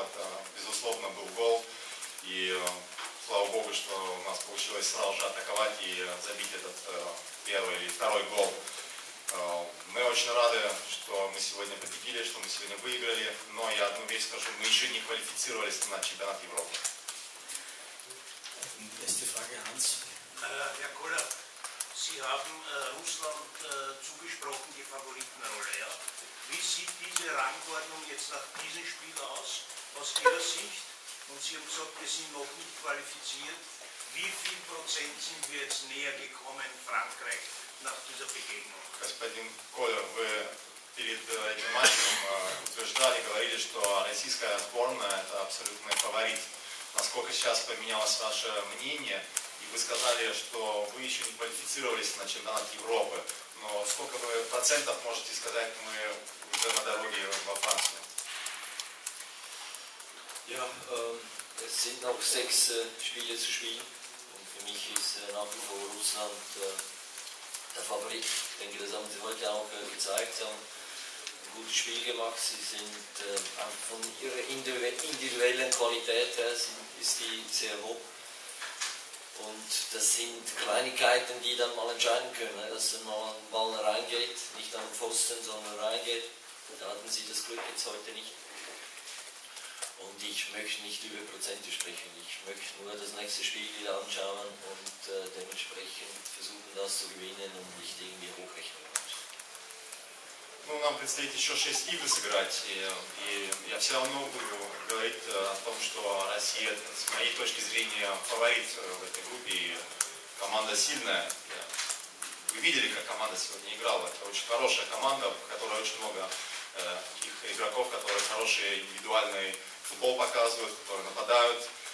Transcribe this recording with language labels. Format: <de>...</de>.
<ru>Это, безусловно, был гол. И слава богу, что у нас получилось сразу же атаковать и забить этот первый или второй гол. Мы очень рады, что мы сегодня победили, что мы сегодня выиграли. Но я одну вещь скажу, мы еще не квалифицировались на чемпионат Европы.</ru> <de>Nächste Frage, Hans. Herr Koller, Sie haben Russland zugesprochen, die Favoritenrolle. Ja? Wie sieht diese Rangordnung jetzt nach diesem Spiel aus, aus Ihrer Sicht? Und Sie haben gesagt, wir sind noch nicht qualifiziert. Wie viel Prozent sind wir jetzt näher gekommen, Frankreich, nach dieser Begegnung?</de> <ru>Господин Коллер, вы перед этим матчем утверждали, говорили, что российская сборная – это абсолютный фаворит. Насколько сейчас поменялось ваше мнение? И вы сказали, что вы еще не квалифицировались на чемпионат Европы. Но сколько вы процентов можете сказать, мы уже на дороге во Францию? Я</ru> <de>Es sind noch 6 Spiele zu spielen. Und für mich ist nach wie vor Russland der Favorit. Ich denke, das haben sie heute auch gezeigt. Sie haben ein gutes Spiel gemacht. Sie sind von ihrer individuellen Qualität her ist die sehr hoch. Und das sind Kleinigkeiten, die dann mal entscheiden können, dass dann mal ein Ball reingeht, nicht am Pfosten, sondern reingeht. Da hatten sie das Glück jetzt heute nicht. Und ich möchte nicht über Prozente sprechen, ich möchte nur das nächste Spiel wieder anschauen und dementsprechend versuchen, das zu gewinnen und nicht irgendwie hochrechnen.</de> <ru>Ну, нам предстоит еще 6 игр сыграть, и я все равно буду говорить о том, что Россия, с моей точки зрения, фаворит в этой группе, и команда сильная. Вы видели, как команда сегодня играла, это очень хорошая команда, в которой очень много их игроков, которые хороший индивидуальный футбол показывают, которые нападают.</ru>